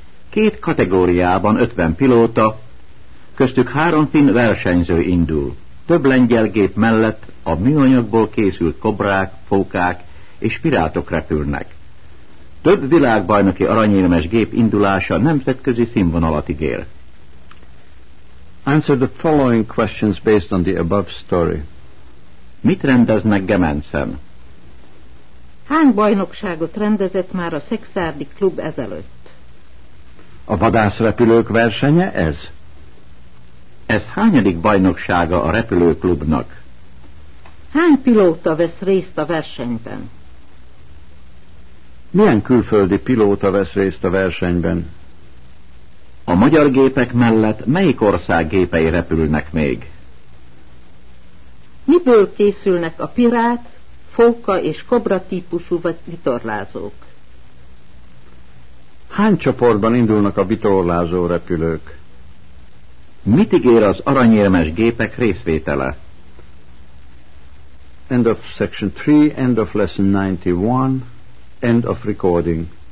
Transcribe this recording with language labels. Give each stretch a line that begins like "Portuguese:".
Hungarian: Két kategóriában 50 pilóta, köztük 3 finn versenyző indul. Több lengyel gép mellett a műanyagból készült kobrák, fókák és pirátok repülnek. Több világbajnoki aranyérmes gép indulása nemzetközi színvonalat ígér.
English: Answer the following questions based on the above story.
Hungarian: Mit rendeznek Gemencen? Hány bajnokságot rendezett már a szekszárdi klub ezelőtt? A vadászrepülők versenye ez? Ez hányadik bajnoksága a repülőklubnak? Hány pilóta vesz részt a versenyben? Milyen külföldi pilóta vesz részt a versenyben? A magyar gépek mellett melyik ország gépei repülnek még? Miből készülnek a pirát, fóka és kobra típusú vitorlázók? Hány csoportban indulnak a vitorlázó repülők? Mit ígér az aranyérmes gépek részvétele?
English: End of section 3, end of lesson 91, end of recording.